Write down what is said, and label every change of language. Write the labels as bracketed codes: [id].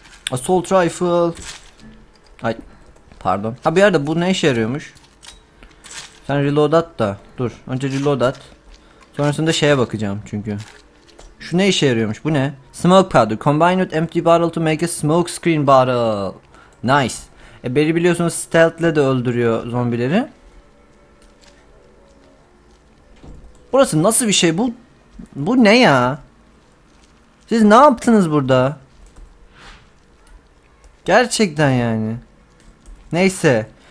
[tr] Assault Rifle. Ay pardon. Ha bir yerde bu ne işe yarıyormuş? Sen reload at da. Dur. Önce reload at. Sonrasında şeye bakacağım çünkü. Şu ne işe yarıyormuş? Bu ne? Smoke powder. [en] Combine with empty bottle to make a smoke screen bottle. Nice. [tr] Beri biliyorsunuz stealth'le de öldürüyor zombileri. Burası nasıl bir şey? Bu ne ya? Siz ne yaptınız burada? Gerçekten yani. Neyse.